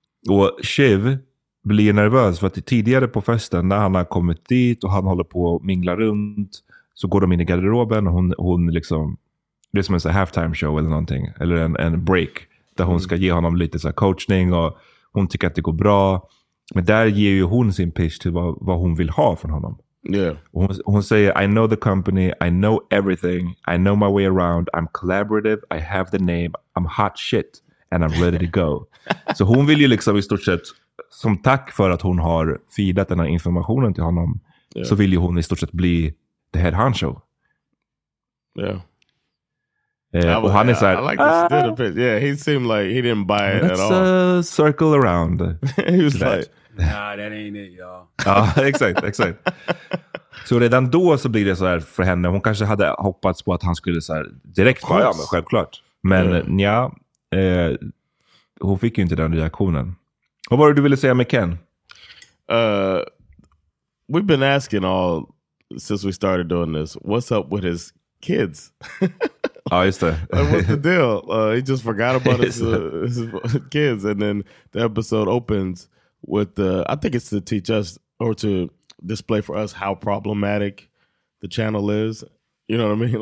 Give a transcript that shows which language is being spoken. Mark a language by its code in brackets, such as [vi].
[sv] Och Shiv blir nervös, för att tidigare på festen när han har kommit dit och han håller på och minglar runt, så går de in i garderoben och hon liksom, det är som en så halftime show eller någonting, eller en break där hon ska ge honom lite så här coachning, och hon tycker att det går bra. Men där ger ju hon sin pitch till vad hon vill ha från honom. [en] Yeah. [sv] Hon säger, [en] I know the company, I know everything, I know my way around, I'm collaborative, I have the name, I'm hot shit, and I'm ready to go. [sv] Så hon vill ju liksom i stort sett, som tack för att hon har feedat den här informationen till honom, så vill ju hon i stort sett bli [en] the head honcho. Yeah. [sv] Och han är såhär, [en] I like this dude a bit. Yeah, he seemed like he didn't buy it at all. Let's circle around. He was like, nah, that ain't it, y'all. [sv] Exakt, exakt. Så redan då så blir det så här för henne. Hon kanske hade hoppats på att han skulle så här direkt. Ja, men självklart. Men ja, hon fick ju inte den reaktionen. Och vad var det du ville säga med Ken? [en] We've been asking all since we started doing this, what's up with his kids? [sv] Ja, just det. [en] Like, what's the deal? He just forgot about his kids. And then the episode opens with I think it's to teach us or to display for us how problematic the channel is. You know what I mean?